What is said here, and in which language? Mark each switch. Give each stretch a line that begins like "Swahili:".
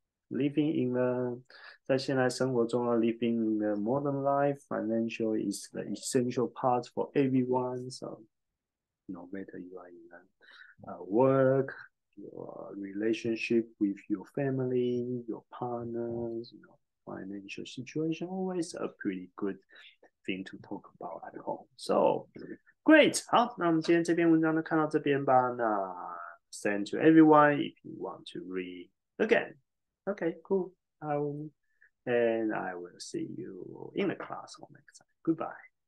English: Living in the,
Chinese: 在现在生活中啊,
English: living in the modern life, financial is the essential part for everyone. So, no matter you are in the work, your relationship with your family, your partners, you know, financial situation, always a pretty good thing to talk about at home. So,Great!
Chinese: 好，那我们今天这篇文章就看到这边吧。
English: 那 send to everyone if you want to read again. Okay, cool. I will see you in the class or next time. Goodbye.